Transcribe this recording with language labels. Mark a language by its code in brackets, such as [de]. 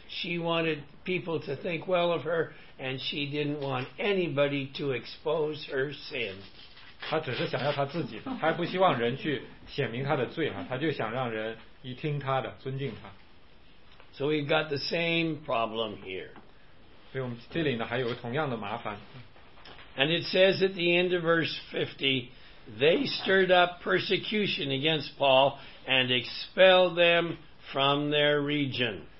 [en] She wanted people to think well of her, and she didn't want anybody to expose her sin. [zh] 她只是想要她自己，她还不希望人去显明她的罪啊，她就想让人一听她的，尊敬她。 [en] So we've got the same problem here. [zh] 所以我们这里呢还有同样的麻烦。 [en] And it says at the end of verse 50, they stirred up persecution against Paul and expelled them from their region.